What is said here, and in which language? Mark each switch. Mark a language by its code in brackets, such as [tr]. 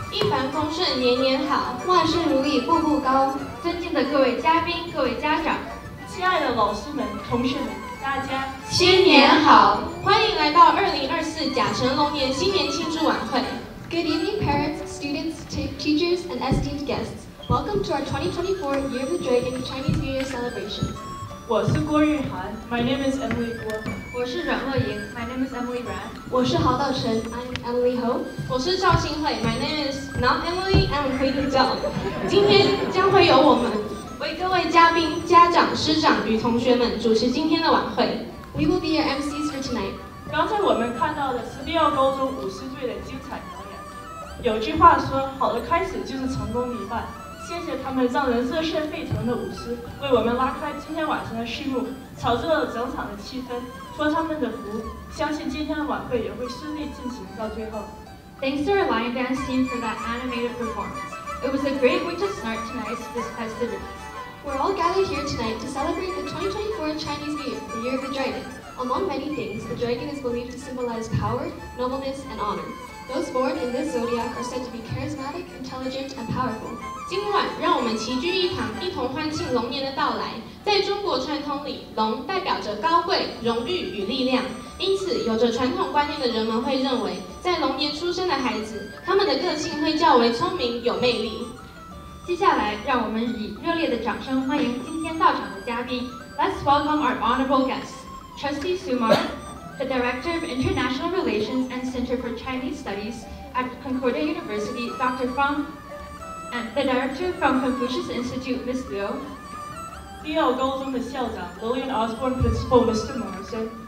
[zh] 一帆风顺年年好，万事如意步步高。尊敬的各位嘉宾，各位家长，亲爱的老师们，同学们，大家新年好，欢迎来到2024甲辰龙年新年庆祝晚会。 [en] Good evening parents, students, teachers and esteemed guests. Welcome to our 2024 Year of the Dragon Chinese New Year celebration. [zh] 我是郭玉涵。 [en] My name is Emily Guo. [zh] 我是阮若莹。 [en] My name is Emily Brand. [zh] 我是郝道成。 [en] I'm Emily Ho. [zh] 我是赵新慧。 [en] My name is not Emily, I'm Hui Zhao. [zh] 今天将会由我们为各位嘉宾、家长、师长与同学们主持今天的晚会。 [en] We will be your MCs for tonight. [zh] 刚才我们看到的是六高中舞狮队的精彩表演。有句话说，好的开始就是成功的一半。谢谢他们让人热血沸腾的舞狮，为我们拉开今天晚上的序幕，炒热了整场的气氛。托他们的福，相信今天的晚会也会顺利进行到最后。 [en] Thanks to our lion dance team for that animated performance. It was a great way to start tonight's this festivity. We're all gathered here tonight to celebrate the 2024 Chinese New Year, the Year of the Dragon. Among many things, the dragon is believed to symbolize power, nobleness, and honor. Those born in this zodiac are said to be charismatic, intelligent, and powerful. [zh] 今晚让我们齐聚一堂，一同欢庆龙年的到来。在中国传统里，龙代表着高贵、荣誉与力量，因此有着传统观念的人们会认为，在龙年出生的孩子，他们的个性会较为聪明有魅力。接下来让我们以热烈的掌声欢迎今天到场的嘉宾。 [en] Let's welcome our honorable guests, Trustee Sumar, the Director of International Relations and Center for Chinese Studies at Concordia University, Dr. FangAnd the director from Confucius Institute, Ms. Liu. [zh] 第二高中的校长 Lillian Osborne, Principal Mr. Morrison.